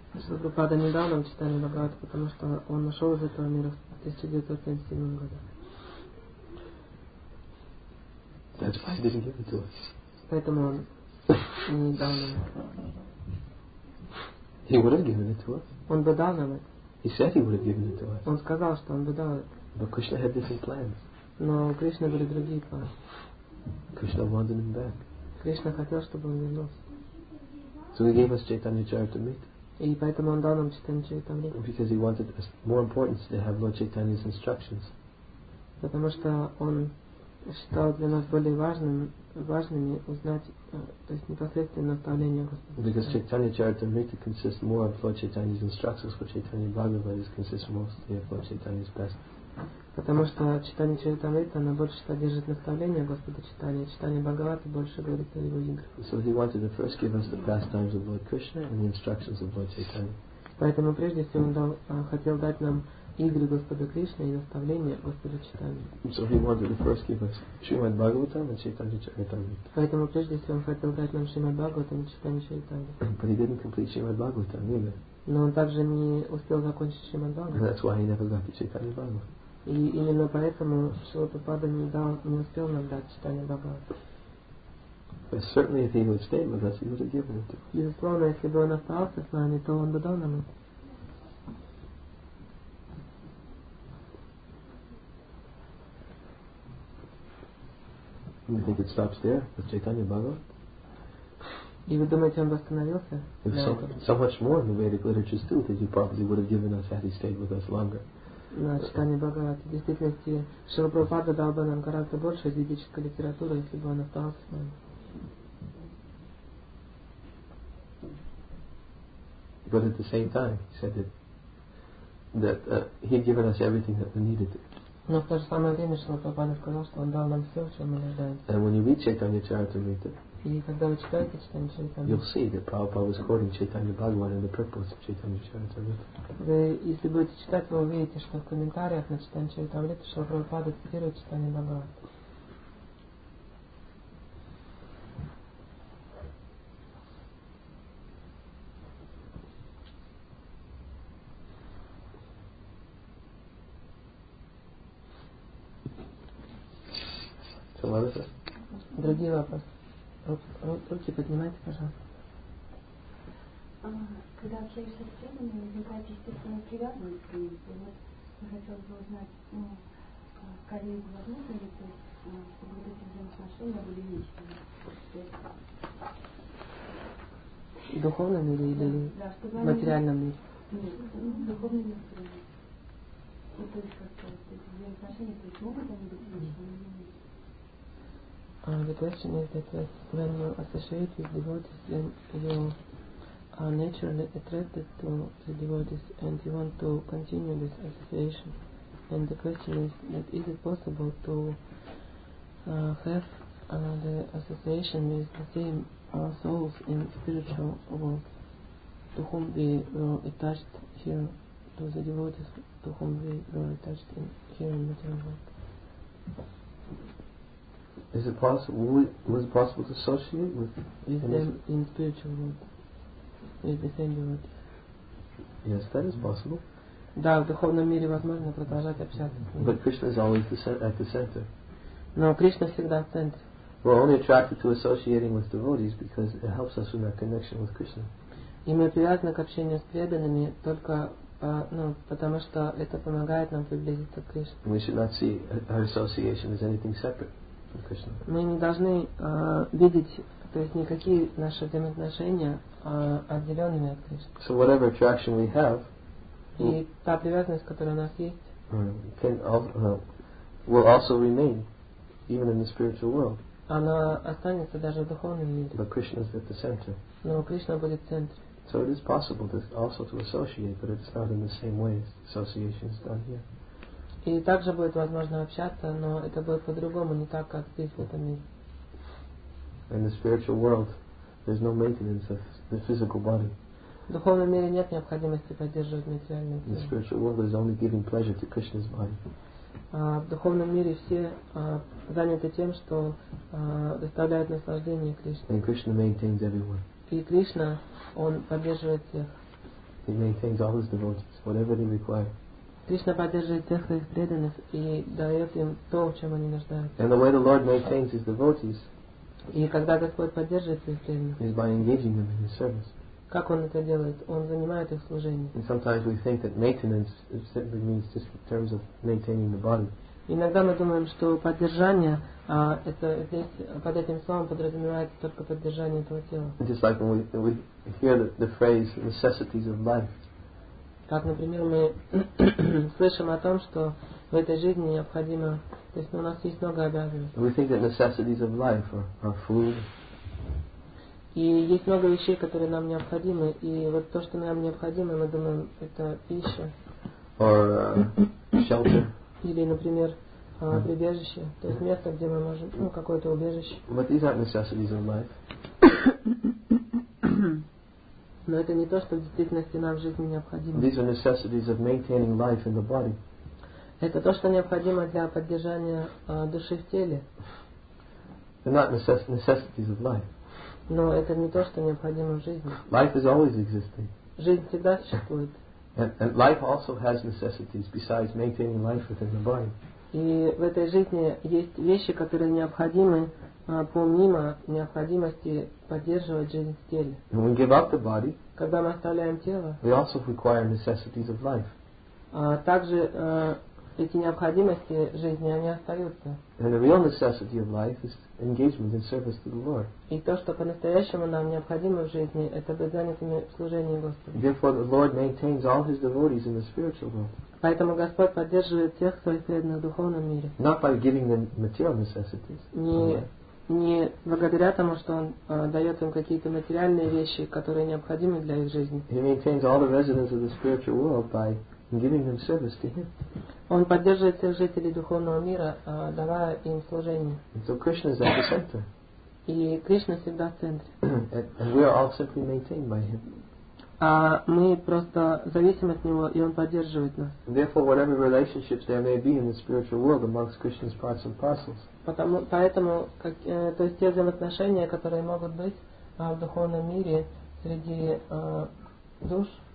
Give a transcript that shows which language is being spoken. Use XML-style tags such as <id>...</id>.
<ru>Srila Prabhupada не дал нам Chaitanya Bhagavata, потому что он ушел из этого мира в 1977 году.</ru> <en>That's why he didn't give it to us.</en> <ru>Поэтому он не дал нам.</ru> <en>He would have given it to us.</en> <ru>Он бы дал нам это.</ru> <en>He said he would have given it to us.</en> <ru>Он сказал, что он бы дал это.</ru> <en>But Krishna had different plans.</en> <ru>Но у Кришны были другие планы.</ru> <en>Krishna wanted him back.</en> <ru>Кришна хотел, чтобы он вернулся.</ru> <en>So he gave us Chaitanya Charitamrita.</en> <ru>И поэтому он дал нам Chaitanya Charitamrita.</ru> <en>Because he wanted more importance to have Lord Chaitanya's instructions.</en> <ru>Потому что он считал для нас более важными узнать, то есть непосредственно наставление Господа.</ru> <en>Because Chaitanya Charitamrita consists more of Lord Chaitanya's instructions for Chaitanya Bhagavata, consists mostly of Lord Chaitanya's best.</en> <ru>Потому что Chaitanya Charitamrita, она больше содержит наставление Господа Chaitanya, Chaitanya Bhagavata больше говорит о его играх.</ru> <en>So he wanted to first give us the pastimes of Lord Krishna and the instructions of Lord Chaitanya.</en> <ru>Поэтому прежде всего он хотел дать нам игры Господа Кришны и наставления Господа Чайтаньи.</ru> <en>So he wanted to first give us Srimad Bhagavatam and Chaitanya Charitamrita.</en> <ru>Поэтому прежде всего он хотел дать нам Srimad Bhagavatam и Chaitanya Charitamrita.</ru> <en>But he didn't complete Srimad Bhagavatam either.</en> <ru>Но он также не успел закончить Srimad Bhagavatam.</ru> <en>That's why he never got the Chaitanya Bhagavatam.</en> <ru>И именно поэтому Шрила Прабхупада не успел нам дать Chaitanya Bhagavatam.</ru> <en>But certainly if he would stay with us, he would have given it to us.</en> <ru>Безусловно, если бы он остался с нами, то он бы дал нам это.</ru> <en>You think it stops there with Chaitanya Bhagavat?</en> <ru>И вы думаете, он бы остановился?</ru> <en>So much more in the Vedic literatures too that he probably would have given us had he stayed with us longer.</en> <ru>На Chaitanya Bhagavat. В действительности, Шрила Прабхупада дал бы нам гораздо больше ведической литературы, если бы он остался с нами.</ru> <en>But at the same time, he said that he had given us everything that we needed to.</en> <ru>Но в то же самое время Шрила Прабхупада сказал, что он дал нам все, чего мы нуждаемся.</ru> <en>And when you read Chaitanya Charitamrita,</en> <ru>и когда вы читаете Chaitanya Charitamrita,</ru> <en>you'll see that Prabhupada was quoting Chaitanya Bhagavan and the purpose of Chaitanya Charitamrita.</en> <ru>Вы, если будете читать, вы увидите, что в комментариях на Chaitanya Charitamrita Шрила Прабхупада цитирует Chaitanya Bhagavan. Другие вопросы. Руки поднимайте, пожалуйста. Когда общаешься с преданными, возникает естественная привязанность к ним. И вот я хотела бы узнать, ну, коллеги возможно ли, то есть, чтобы вот эти взаимоотношения были личными? В духовном мире или в материальном мире? Нет, в духовном мире. И то есть, как-то вот эти взаимоотношения, то есть, могут они быть личными или нет?</ru> <en>The question is that when you associate with devotees, then you are naturally attracted to the devotees and you want to continue this association. And the question is that is it possible to have another association with the same souls in spiritual world to whom we were attached here, to the devotees to whom we were attached in here in material world? Is it possible? Was it possible to associate with them in spiritual world with the same devotees? Yes, that is possible.</en> <ru>Да, в духовном мире возможно продолжать общаться.</ru> <en>But Krishna is always at the center.</en> <ru>Но Кришна всегда в центре.</ru> <en>We're only attracted to associating with devotees because it helps us in our connection with Krishna.</en> <ru>И мы привязаны к общению с преданными только потому что это помогает нам приблизиться к Кришне.</ru> <en>We should not see our association as anything separate from Krishna.</en> <ru>Мы не должны видеть, то есть никакие наши взаимоотношения отделенными от Кришны.</ru> <en>So whatever attraction we have.</en> <ru>И та привязанность, которая у нас есть,</ru> <en>will also remain, even in the spiritual world.</en> <ru>Она останется даже в духовном мире.</ru> <en>But Krishna is at the center.</en> <ru>Но Кришна будет в центре.</ru> <en>So it is possible to also to associate, but it's not in the same way as association is done here.</en> <ru>И также будет возможно общаться, но это будет по-другому, не так, как здесь, в этом мире.</ru> <en>In the spiritual world, there's no maintenance of the physical body.</en> <ru>В духовном мире нет необходимости поддерживать материальное тело.</ru> <en>The spiritual world is only giving pleasure to Krishna's body.</en> <ru>В духовном мире все заняты тем, что доставляют наслаждение Кришне.</ru> <en>And Krishna maintains everyone.</en> <ru>И Кришна, он поддерживает всех.</ru> <en>He maintains all his devotees, whatever they require.</en> <ru>Кришна поддерживает всех своих преданных и дает им то, в чем они нуждаются.</ru> <en>And the way the Lord maintains his devotees.</en> <ru>И когда Господь поддерживает своих преданных.</ru> <en>Is by engaging them in his service.</en> <ru>Как он это делает? Он занимает их служением.</ru> <en>And sometimes we think that maintenance simply means just in terms of maintaining the body.</en> <ru>Иногда мы думаем, что поддержание, это здесь под этим словом подразумевается только поддержание этого тела.</ru> <en>Just like when we hear the phrase necessities of life.</en> <ru>Как, например, мы слышим о том, что в этой жизни необходимо, то есть у нас есть много обязанностей.</ru> <en>We think that necessities of life are food.</en> <ru>И есть много вещей, которые нам необходимы, и вот то, что нам необходимо, мы думаем, это пища.</ru> <en>Or shelter.</en> <ru>Или, например, прибежище, то есть место, где мы можем, какое-то убежище.</ru> <en>But these aren't necessities of life.</en> <ru>Но это не то, что в действительности нам в жизни необходимо.</ru> <en>These are necessities of maintaining life in the body.</en> <ru>Это то, что необходимо для поддержания души в теле.</ru> <en>They're not necessities of life.</en> <ru>Но это не то, что необходимо в жизни.</ru> <en>Life is always existing.</en> <ru>Жизнь всегда существует.</ru> <en>And life also has necessities besides maintaining life within the body.</en> <ru>И в этой жизни есть вещи, которые необходимы помимо необходимости поддерживать жизнь в теле.</ru> <en>When we give up the body,</en> <ru>когда мы оставляем тело,</ru> <en>we also require necessities of life.</en> <ru>Также эти необходимости жизни, они остаются.</ru> <en>And the real necessity of life is engagement in service to the Lord.</en> <ru>И то, что по-настоящему нам необходимо в жизни, это быть занятыми в служении Господу.</ru> <en>Therefore, the Lord maintains all his devotees in the spiritual world.</en> <ru>Поэтому Господь поддерживает всех своих преданных в духовном мире.</ru> <en>Not by giving them material necessities.</en> <ru>Не благодаря тому, что он дает им какие-то материальные вещи, которые необходимы для их жизни.</ru> <en>He maintains all the residents of the spiritual world by giving them service to him.</en> <ru>Он поддерживает всех жителей духовного мира, давая им служение.</ru> <en>And so Krishna is at the center.</en> <ru>И Кришна всегда в центре.</ru> <en>And we are all simply maintained by him.</en> <ru>А мы просто зависим от него, и он поддерживает нас.</ru> <en>And therefore, whatever relationships there may be in the spiritual world amongst Krishna's parts and parcels.</en> <ru>Поэтому, то есть те взаимоотношения, которые могут быть в духовном мире среди душ.</ru>